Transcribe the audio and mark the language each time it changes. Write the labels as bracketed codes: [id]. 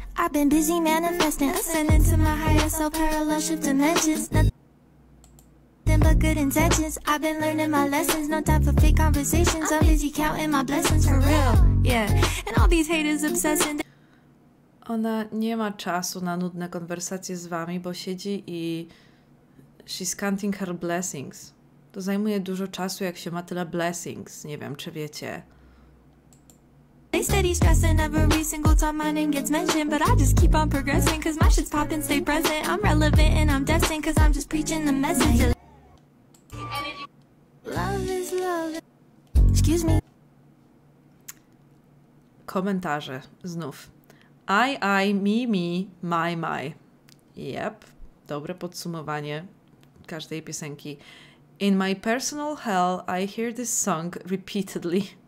[en] I've been busy manifesting, ascending to my higher soul, parallel shift dimensions. Nothing but good intentions. I've been learning my lessons, no time for fake conversations. I'm busy counting my blessings for real, yeah. And all these haters obsessing. [pl] Ona nie ma czasu na nudne konwersacje z wami, bo siedzi i [en] she's counting her blessings. [pl] To zajmuje dużo czasu, jak się ma tyle blessings. Nie wiem, czy wiecie. [en] They steady stressing every single time my name gets mentioned, but I just keep on progressing, cause my shit's popping, stay present. I'm relevant and I'm destined, cause I'm just preaching the message. Love is love. Excuse me. [pl] Komentarze, znów. [en] I, me, my. [pl] Yep, dobre podsumowanie każdej piosenki. [en] In my personal hell, I hear this song repeatedly.